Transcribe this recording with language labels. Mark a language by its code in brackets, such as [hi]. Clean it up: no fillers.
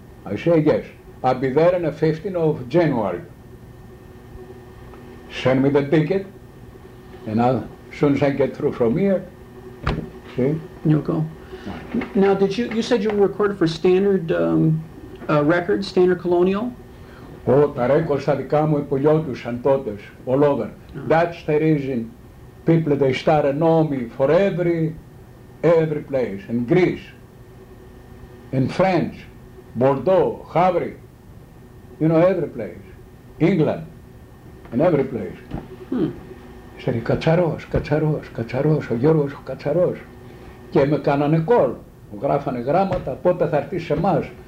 [en] I say, yes, I'll be there on the 15th of January. Send me the ticket. And as soon as I get through from here, see? You'll go. Right. Now, you said you recorded for Standard Records, Standard Colonial? [el] Oh, τα records τα δικά μου υπολιώτουσαν τότε, [en] all over. That's the reason people, they started knowing me for every place, in Greece, in France, Bordeaux, Havre, you know, every place, England, in every place. [el] Ήξερε Κατσαρός, ο Γιώργος ο Κατσαρός. Και με κάνανε κόλ. Μου γράφανε γράμματα, πότε θα έρθει σε εμάς.